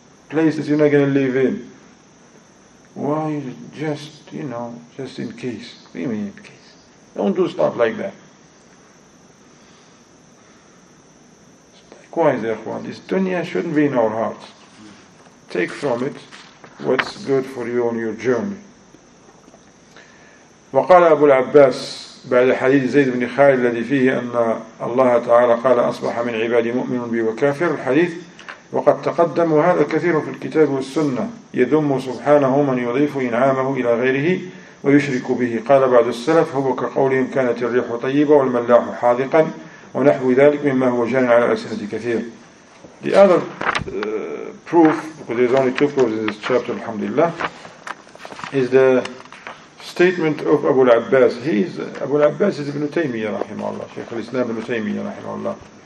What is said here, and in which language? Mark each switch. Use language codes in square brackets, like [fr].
[en] Places you're not gonna live in." "Why, just in case." "What do you mean in case? Don't do stuff like that." Likewise, ikhwan, this dunya shouldn't be in our hearts. Take from it what's good for you on your journey. [ar] وقال أبو العباس بعد حديث زيد بن خالد الذي فيه أن الله تعالى قال أصبح من عبادي مؤمن بي وكافر الحديث وقد تقدم هذا كثير في الكتاب والسنة يذم سبحانه من يضيف إنعامه إلى غيره ويشرك به قال بعض السلف هو كقولهم كانت الريح طيبة والملاح حاذقا ونحو ذلك مما هو جار على ألسنة كثير. [en] The other proof, because there's only two proofs in this chapter, alhamdulillah, is the statement of Abu al-Abbas. Abu al-Abbas is Ibn Taymiyyah rahimahullah, Shaykh al-Islam Ibn Taymiyyah rahimahullah.